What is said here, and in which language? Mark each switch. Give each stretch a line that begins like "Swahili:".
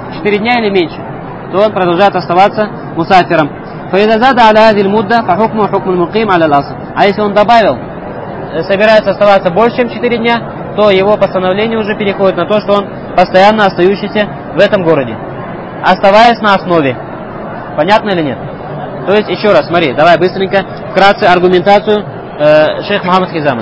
Russian: 4 дня или меньше, то он продолжает оставаться мусафиром.
Arabic: فإذا زاد على هذه المدة فحكمه حكم المقيم على الأصل.
Russian: А если он добавил, собирается оставаться больше, чем 4 дня, то его постановление уже переходит на то, что он постоянно остающийся в этом городе, оставаясь на основе. Понятно или нет? То есть, еще раз, смотри, давай быстренько вкратце аргументацию шейх Мухаммад Хизама.